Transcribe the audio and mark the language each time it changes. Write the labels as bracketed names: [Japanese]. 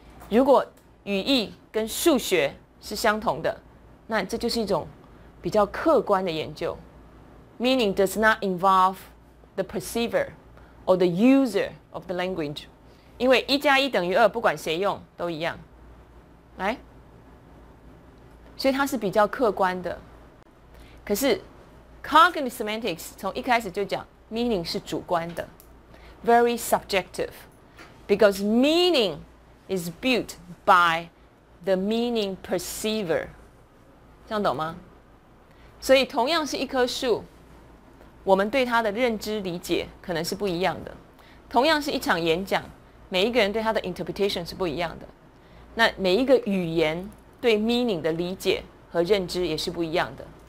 [Chinese] 如果语义跟数学是相同的，那这就是一种比较客观的研究。 [English] Meaning does not involve the perceiver or the user of the language. [Chinese] 因为一加一等于二，不管谁用都一样。来，所以它是比较客观的。可是 cognitive semantics 从一开始就讲 meaning 是主观的。 [English] Very subjective, because meaning is built by the meaning perceiver. [Chinese] 这样懂吗？所以同样是一棵树，我们对它的认知理解可能是不一样的。同样是一场演讲，每一个人对它的 interpretation 是不一样的。那每一个语言对 meaning 的理解和认知也是不一样的。